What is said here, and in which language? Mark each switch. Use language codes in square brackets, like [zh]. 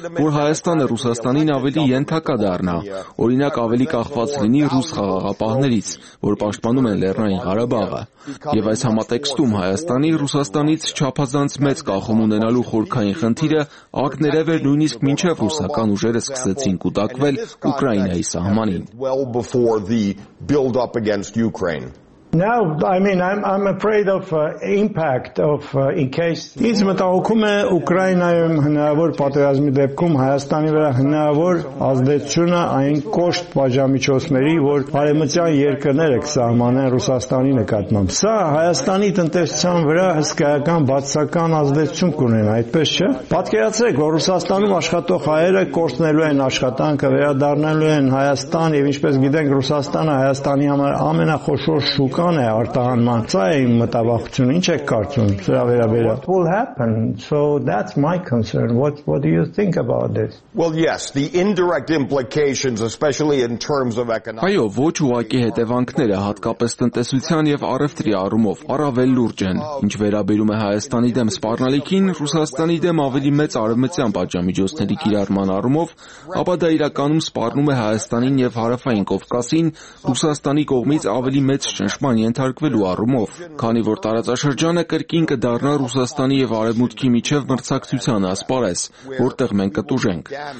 [hy] որ Հայաստանը Ռուսաստանին ավելի ենթակա դառնա, օրինակ ավելի կախված լինի ռուս խաղաղապահներից, որ պաշտպանում են Լեռնային Ղարաբաղը, եւ այս համատեքստում Հայաստանի Ռուսաստանից չափազանց մեծ կախում ունենալու խորքային խնդիրը ակներև է նույնիսկ մինչև ռուսական ուժերը սկսեցին կուտակվել Ուկրաինայի Սահմանին. [en] Well before the build up against Ukraine. Now I mean I'm afraid of impact of in case [hy] Ինչ մտահոգում է Ուկրաինայում հնարավոր պատերազմի դեպքում Հայաստանի վրա հնարավոր ազդեցությունը այն կոշտ պայժամիջոցների, որ արևմտյան երկրները կսահմանեն Ռուսաստանի նկատմամբ։ Սա Հայաստանի տնտեսության վրա հսկայական բացական ազդեցություն կունենա, այդպես չէ՞։ Պատկերացրեք, որ Ռուսաստանում աշխատող հայերը կորցնելու են աշխատանքը, վերադառնալու են Հայաստան, եւ ինչպես գիտենք, Ռուսաստանը Հայաստանի համար ամենախոշոր Ուկան է արտահանման, ծա է իմ մտավախությունը, ինչ եք կարծում սրա վերաբերյալ։ [en] What will happen? So that's my concern. What do you think about this? Well, yes, the indirect implications, especially in terms of economic... [hy] Այո, ոչ ուղղակի հետևանքները, հատկապես տնտեսության եւ առևտրի առումով, առավել լուրջ են։ Ինչ վերաբերում է Հայաստանի դեմ սպառնալիքին, Ռուսաստանի դեմ ավելի մեծ արևմտյան պատժամիջոցների կիրառման առումով, ապա դա իրականում սպառնում է Հայաստանին եւ Հարավային Կովկասին Ռուսաստանի կողմից ավելի մեծ ճնշման ենթարկվելու առումով, քանի որ տարածաշրջանը կրկին կդառնա Ռուսաստանի եւ Արևմուտքի միջև մրցակցության ասպարես, որտեղ մենք կտուժենք։